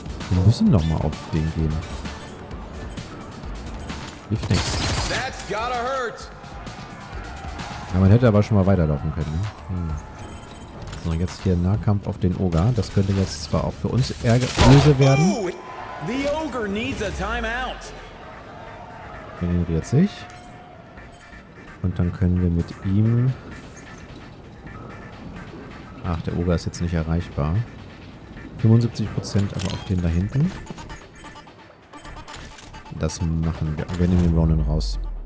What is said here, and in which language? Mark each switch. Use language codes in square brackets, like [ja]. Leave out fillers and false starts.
[de] Wir müssen nochmal auf den gehen. Hilft nichts. [en] That's gotta hurt. [de] Ja, man hätte aber schon mal weiterlaufen können. Ne? Hm. So, jetzt hier Nahkampf auf den Ogre. Das könnte jetzt zwar auch für uns böse werden. [en] The Ogre needs a timeout. [de] Generiert sich. Und dann können wir mit ihm... Ach, der Ogre ist jetzt nicht erreichbar. 75% aber auf den da hinten. Das machen wir. Wir nehmen den Ronin raus.